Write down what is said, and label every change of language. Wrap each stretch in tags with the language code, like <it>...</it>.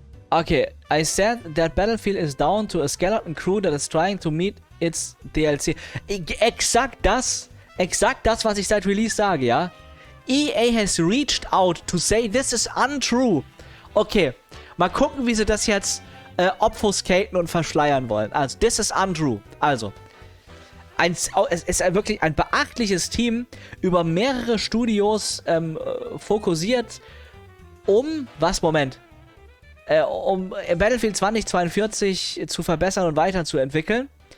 <en>Okay, I said that Battlefield is down to a skeleton crew that is trying to meet its DLC.</en> <de>Exakt das, was ich seit Release sage, ja?</de> <en>EA has reached out to say this is untrue.</en> <de>Okay, mal gucken, wie sie das jetzt obfuscaten und verschleiern wollen. Also, this is untrue. Also, es ist wirklich ein beachtliches Team, über mehrere Studios fokussiert, um Battlefield 2042 zu verbessern und weiterzuentwickeln.</de>